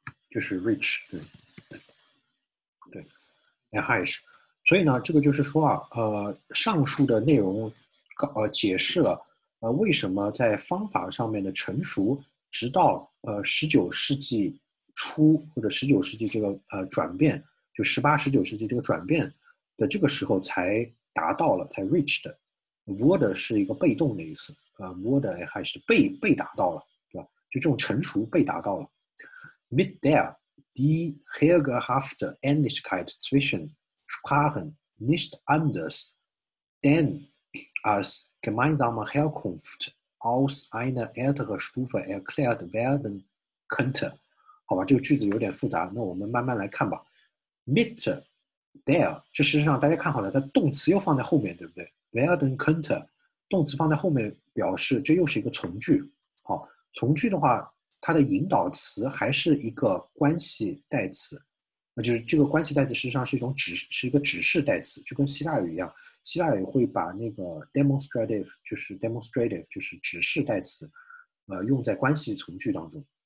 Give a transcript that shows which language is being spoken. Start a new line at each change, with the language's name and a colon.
Chinese: 就是 rich，对，对，erreicht，所以呢，这个就是说啊，上述的内容，解释了，为什么在方法上面的成熟，直到19世纪初或者19世纪这个转变，就18、19世纪这个转变的这个时候才达到了，才 reached。 wurde 是一个被动的意思，wurde erreicht 被达到了。就这种成熟被达到了，
German: mit der die hergehaffte Ähnlichkeit zwischen Sprachen nicht anders denn als gemeinsame Herkunft aus einer älteren Stufe erklärt werden könnte。
Chinese: 好吧，这个句子有点复杂，那我们慢慢来看吧。mit der，这事实上大家看好了，它动词又放在后面，对不对？werden könnte，动词放在后面表示这又是一个从句，好。从句的话，它的引导词还是一个关系代词，那就是这个关系代词实际上是一种指，是一个指示代词，就跟希腊语一样，希腊语会把那个 demonstrative 就是指示代词，用在关系从句当中。